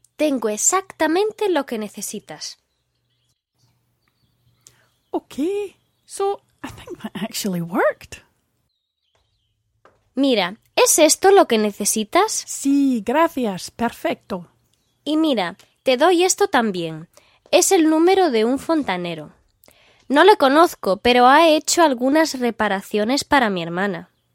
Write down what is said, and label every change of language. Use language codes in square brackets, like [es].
[es] Tengo exactamente lo que necesitas. [en] Okay. So, I think that actually worked. [es] Mira, ¿es esto lo que necesitas? Sí, gracias. Perfecto. Y mira, te doy esto también. Es el número de un fontanero. No le conozco, pero ha hecho algunas reparaciones para mi hermana.